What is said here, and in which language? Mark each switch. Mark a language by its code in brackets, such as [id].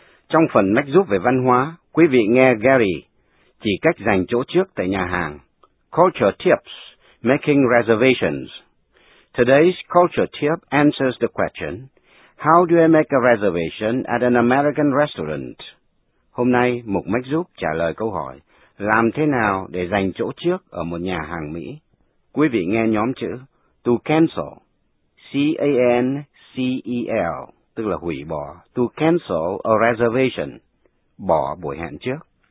[vi] Trong phần mách giúp về văn hóa, quý vị nghe Gary chỉ cách dành chỗ trước tại nhà hàng. [en] Culture tips, making reservations. Today's culture tip answers the question, how do I make a reservation at an American restaurant? [vi] Hôm nay, mục mách giúp trả lời câu hỏi, làm thế nào để dành chỗ trước ở một nhà hàng Mỹ? Quý vị nghe nhóm chữ, to cancel, C-A-N-C-E-L, tức là hủy bỏ, [en] to cancel a reservation, [vi] bỏ buổi hẹn trước.